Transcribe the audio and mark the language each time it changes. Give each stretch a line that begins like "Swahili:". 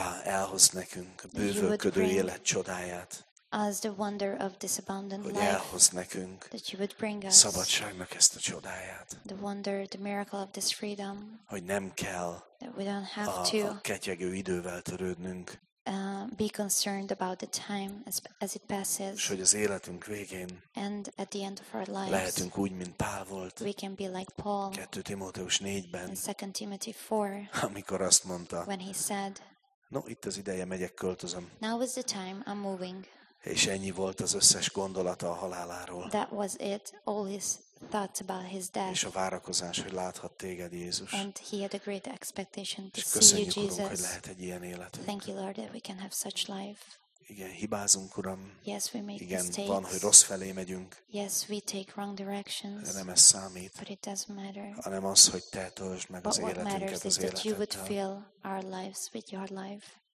Hungarian: Elhozd nekünk a bővölködő élet csodáját.
English: As the wonder of this abundant life.
Hungarian: Elhozd nekünk.
English: That you would bring us.
Hungarian: Szabadságnak ezt a csodáját.
English: The wonder, the miracle of this freedom.
Hungarian: Hogy nem kell.
English: That we don't have to.
Hungarian: A ketyegő idővel törődnünk.
English: Be concerned about the time as it passes.
Hungarian: És hogy az életünk végén
English: and at the end of our lives,
Hungarian: lehetünk úgy, mint Pál volt.
English: We can be like Paul.
Hungarian: 2 Timóteus 4-ben.
English: In 2 Timothy 4.
Hungarian: Amikor azt mondta.
English: When he said.
Hungarian: No, itt az ideje, megyek, költözöm.
English: Now is the time, I'm moving.
Hungarian: És ennyi volt az összes gondolata a haláláról.
English: That was it, all his thoughts about his death.
Hungarian: És a várakozás, hogy láthat téged, Jézus.
English: And he had a great expectation to
Hungarian: és
English: see you, Jesus.
Hungarian: Köszönjük, Urunk, hogy lehet egy ilyen életünk.
English: Thank you, Lord, that we can have such life.
Hungarian: Igen, hibázunk, Uram.
English: Yes, we make
Hungarian: igen,
English: mistakes.
Hungarian: Van, hogy rossz felé megyünk.
English: Yes, we take wrong directions.
Hungarian: De nem ez számít.
English: But it doesn't matter.
Hungarian: Hanem az, hogy te töltsd meg
English: but
Hungarian: az életünket az életeddel.
English: But what matters is that you would fill our lives with your life.